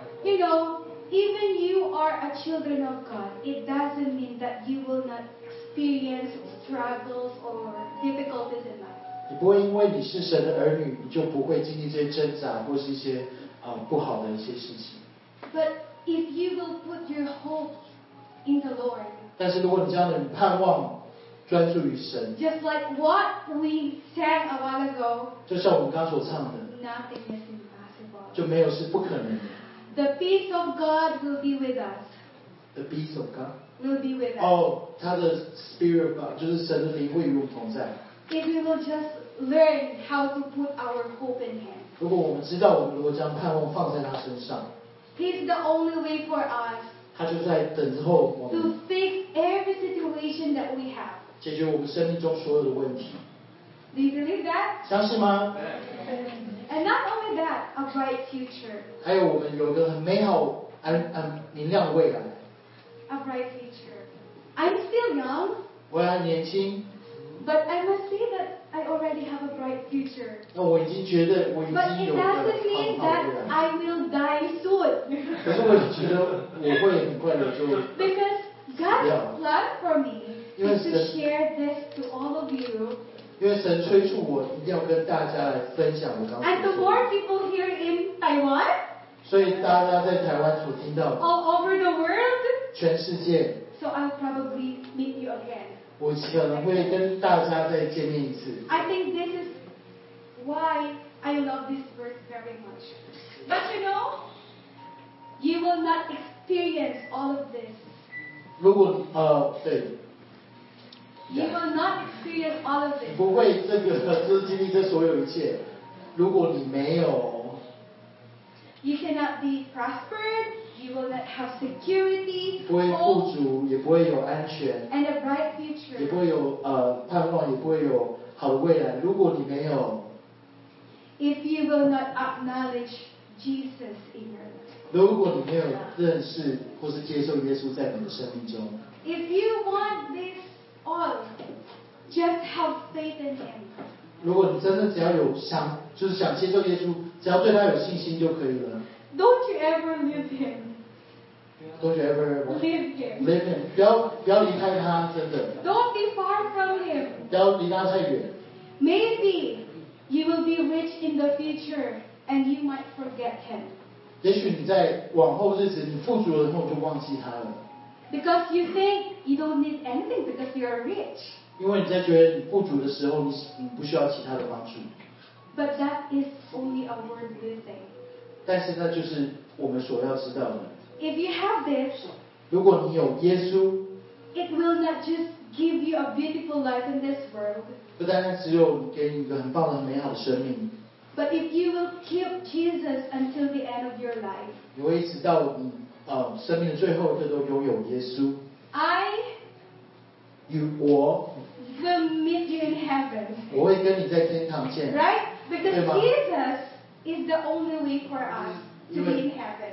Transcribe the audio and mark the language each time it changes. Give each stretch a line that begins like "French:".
English: You know, even you are a children of God, it doesn't mean that you will not experience struggles or difficulties in life.
Chinese: 你不会因为你是神的儿女，你就不会经历这些挣扎或是一些不好的一些事情。
English: But if you will put your hope in the Lord.
Chinese: 但是如果你这样的盼望。专注于神
English: Just like what we sang a while ago,
Chinese: 就像我们刚所唱的
English: Nothing is impossible.
Chinese: 就没有是不可能的
English: The peace of God will be with us. The peace of God will be with us.
Chinese: 哦，他的
English: spirit of God
Chinese: 就是神的灵会与我们同在
English: If we will just learn how to put our hope in Him.
Chinese: 如果我们知道我们如果将盼望放在他身上
English: He's the only way for us.
Chinese: 他就在等之后我们
English: to fix every situation that we have.
Chinese: 解决我们生命中所有的问题。
English: Do you believe that?
Chinese: 相信吗？
English: And not only that, a bright future.
Chinese: 还有我们有个很美好、明亮的未来。
English: A bright future. I'm still young.
Chinese: 我还年轻。
English: But I must say that I already have a bright future.
Chinese: 那我已经觉得我已经有了。
English: But it doesn't mean that I will die soon.
Chinese: 可是我觉得我会很快的就。
English: Because God's plan for me is to share this to all of you.
Chinese: 因为神催促我一定要跟大家来分享我刚。
English: And the more people here in Taiwan.
Chinese: 所以大家在台湾所听到。
English: All over the world.
Chinese: 全世界。
English: So I'll probably meet you again.
Chinese: 我可能会跟大家再见面一次。
English: I think this is why I love this verse very much. But you know, you will not experience all of this.
Chinese: 如果对。
English: You will not experience all of this.
Chinese: 不会这个就是经历这所有一切，如果你没有。
English: You cannot be prospered. You will not have security,
Chinese: 不会富足，也不会有安全
English: and a bright future.
Chinese: 也不会有盼望，也不会有好的未来。如果你没有
English: ，If you will not acknowledge Jesus in your life,
Chinese: 如果你没有认识或是接受耶稣在你的生命中
English: ，If you want this all, just have faith in Him.
Chinese: 如果你真的只要有想，就是想接受耶稣，只要对他有信心就可以了。
English: Don't you ever leave him? Don't you ever leave him? Leave him.
Chinese: 不要离开他，真的。
English: Don't be far from him.
Chinese: 不要离他太远。
English: Maybe you will be rich in the future, and you might forget him.
Chinese: 也许你在往后日子，你富足了后就忘记他了。
English: Because you think you don't need anything because you are rich.
Chinese: 因为你在觉得你富足的时候，你不需要其他的帮助。
English: But that is only a worldly thing.
Chinese: 但是那就是我们所要知道的。
English: If you have this,
Chinese: 如果你有耶稣
English: ，it will not just give you a beautiful life in this world.
Chinese: 不单单只有给你一个很棒的、美好的生命。
English: But if you will keep Jesus until the end of your life,
Chinese: 你会一直到你生命的最后，都拥有耶稣。
English: I,
Chinese: 与我
English: will meet you in heaven.
Chinese: 我会跟你在天堂见。
English: Right? Because Jesus. Is the only way for us to be in heaven.